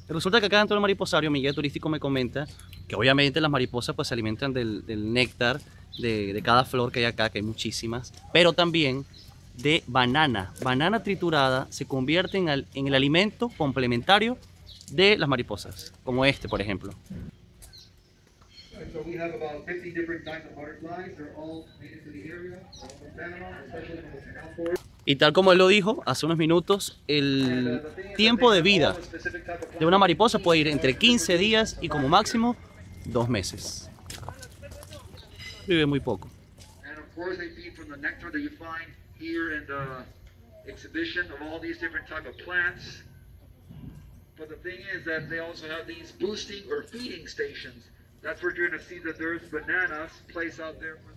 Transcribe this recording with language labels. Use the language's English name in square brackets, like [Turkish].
[Spanish] Resulta que acá dentro del mariposario, mi guía turístico me comenta que obviamente las mariposas pues se alimentan del néctar de cada flor que hay acá, que hay muchísimas, pero también de banana. Banana triturada se convierte en el alimento complementario de las mariposas, como este, por ejemplo. [English] So we have about 50 different kinds of butterflies. They're all native to the area, all from Panama, especially from the canal forest. [Spanish] Y tal como él lo dijo hace unos minutos, el tiempo de vida de una mariposa puede ir entre 15 días y como máximo 2 meses. Vive muy poco. [English] And of course they feed from the nectar that you find here in the exhibition of all these different type of plants. But the thing is that they also have these boosting or feeding stations. That's where you're going to see that there's bananas placed out there.